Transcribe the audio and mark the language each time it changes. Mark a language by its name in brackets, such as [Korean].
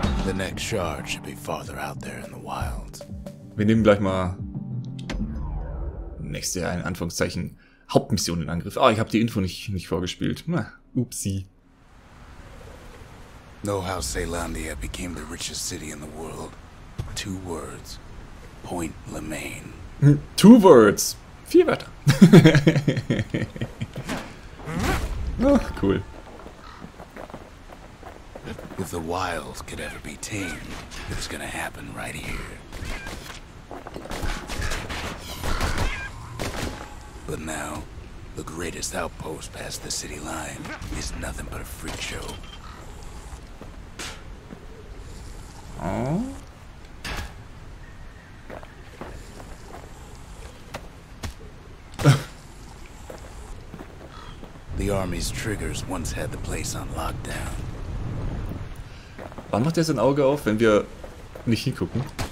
[English] The next charge should be farther out there in the wild. [German] Wir nehmen gleich mal nächste, in Anführungszeichen, Hauptmission in Angriff. Ah, ich habe die Info nicht vorgespielt. Upsi. [English] Know how Ceylandia became the richest city in the world? 2 words. Point Lemaine. 2 words. [German] 4 Wörter. Ach, cool. [English] If the wild could ever be tamed, it's gonna happen right here. But now, the greatest outpost past the city line is nothing but a freak show. Oh? The army's triggers once had the place on lockdown. [German] Wann macht er sein Auge auf, wenn wir nicht hingucken?